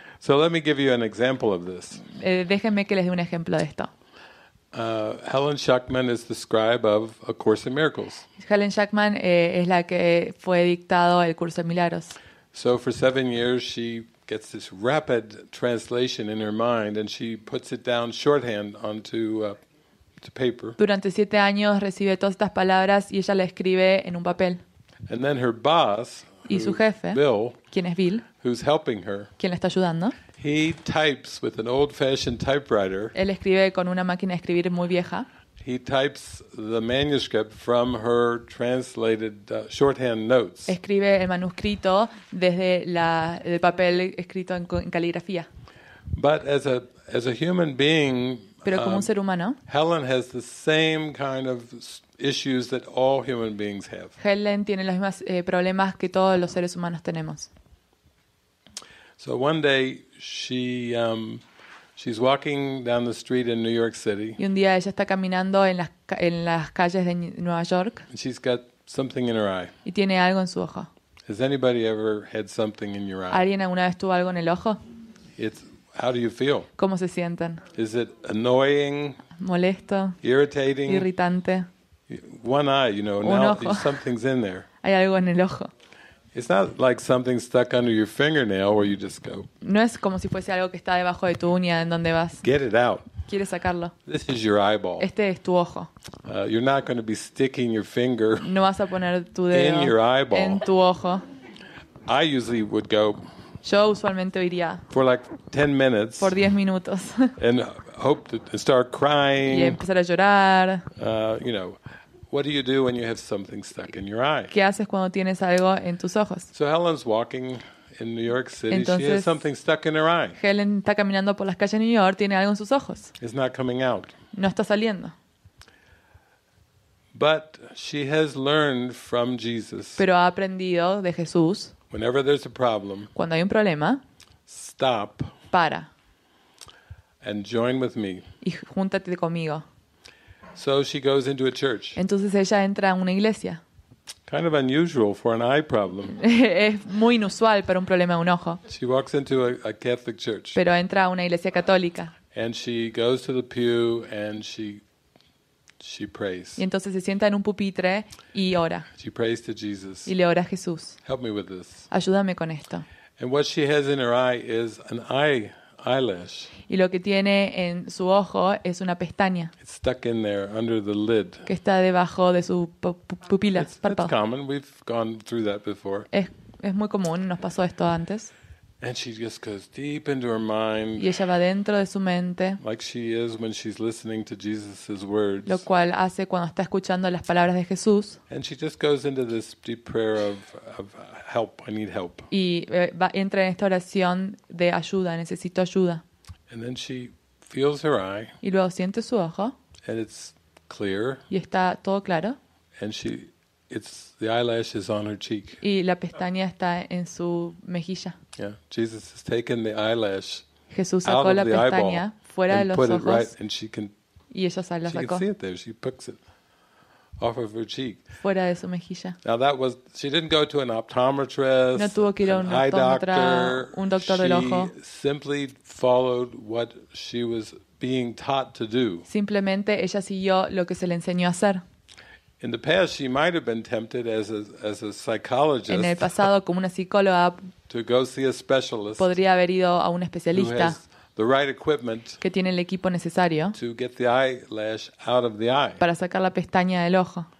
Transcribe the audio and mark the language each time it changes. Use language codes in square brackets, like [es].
[en] So let me give you an example of this. [es] Déjenme que les dé un ejemplo de esto. [en] Helen Schuckman is the scribe of A Course in Miracles. [es] Helen Schuckman es la que fue dictado el curso de milagros. [en] So for 7 years she gets this rapid translation in her mind and she puts it down shorthand onto to paper. [es] Durante 7 años recibe todas estas palabras y ella las escribe en un papel. [en] And then her boss, [es] y su jefe, [en] Bill, [es] quien es Bill, [en] who's helping her, [es] quien la está ayudando. [en] He types with an old-fashioned typewriter. [es] Él escribe con una máquina de escribir muy vieja. [en] he types the manuscript from her translated shorthand notes. [es] Escribe el manuscrito desde el papel escrito en caligrafía. [en] But as a human being, [es] pero como un ser humano, [en] Helen has the same kind of issues that all human beings have. [es] Helen tiene los mismos problemas que todos los seres humanos tenemos. [en] So one day she's walking down the street in New York City. [es] Y un día ella está caminando en las calles de Nueva York. [en] And she's got something in her eye. [es] Y tiene algo en su ojo. [en] Has anybody ever had something in your eye? [es] ¿Alguien alguna vez tuvo algo en el ojo? [en] It's how do you feel? [es] ¿Cómo se sienten? [en] Is it annoying? [es] Molesto. [en] Irritating. [es] Irritante. [en] One eye, you know, [es] un [en] now [es] ojo. [en] Something's in there. [es] Hay algo en el ojo. [en] It's not like something stuck under your fingernail where you just go. [es] No es como si fuese algo que está debajo de tu uña en donde vas. [en] Get it out. [es] ¿Quieres sacarlo? [en] This is your eyeball. [es] Este es tu ojo. [en] You're not going to be sticking your finger. [es] No vas a poner tu dedo [en] in your eyeball. [es] En tu ojo. [en] I usually would go. [es] Yo usualmente iría. [en] For like 10 minutes. [es] Por 10 minutos. [en] And hope to start crying. [es] Y empezar a llorar. [en] You know. What do you do when you have something stuck in your eye? [es] ¿Qué haces cuando tienes algo en tus ojos? [en] So Helen's walking in New York City. [es] Entonces, [en] she has something stuck in her eye. [es] Helen está caminando por las calles de New York, tiene algo en sus ojos. [en] It's not coming out. [es] No está saliendo. [en] But she has learned from Jesus. [es] Pero ha aprendido de Jesús. [en] Whenever there's a problem, [es] cuando hay un problema, [en] stop. [es] Para. [en] And join with me. [es] Y júntate conmigo. [en] So she goes into a church. [es] Entonces ella entra a una iglesia. [en] Kind of unusual for an eye problem. [es] Es muy inusual para un problema de un ojo. [en] She walks into a Catholic church. [es] Pero entra a una iglesia católica. [en] And she goes to the pew and she prays. [es] Y entonces se sienta en un pupitre y ora. [en] She prays to Jesus. [es] Y le ora a Jesús. [en] Help me with this. [es] Ayúdame con esto. [en] And what she has in her eye is an eye. Eyelash. [es] Y lo que tiene en su ojo es una pestaña. [en] It's stuck in there under the lid. [es] Que está debajo de su pupila, párpado. [en] It's common. We've gone through that before. [es] Es muy común. Nos pasó esto antes. [en] And she just goes deep into her mind. [es] Y ella va dentro de su mente. [en] Like she is when she's listening to Jesus's words. [es] Lo cual hace cuando está escuchando las palabras de Jesús. [en] And she just goes into this deep prayer of help. I need help. [es] Y entra en esta oración de ayuda. Necesito ayuda. [en] And then she feels her eye. [es] Y luego siente su ojo. [en] And it's clear. [es] Y está todo claro. [en] And she, it's the eyelash is on her cheek. [es] Y la pestaña está en su mejilla. [en] Yeah, Jesus has taken the eyelash. [es] Jesús sacó la pestaña fuera de los ojos. [en] And put it right, and she can. [es] Y ella se la sacó. [en] She can see it there. She picks it off of her cheek. [es] Fuera de su mejilla. [en] Now that was, she didn't go to an optometrist. [es] No tuvo que ir a un optometra, un doctor del ojo. [en] She simply followed what she was being taught to do. [es] Simplemente ella siguió lo que se le enseñó a hacer. [en] In the past, she might have been tempted as a psychologist. [es] En el pasado, como una psicóloga, [en] to go see a specialist. [es] Podría haber ido a un especialista. [en] The right equipment. [es] Que tiene el equipo necesario. [en] To get the eyelash out of the eye. [es] Para sacar la pestaña del ojo.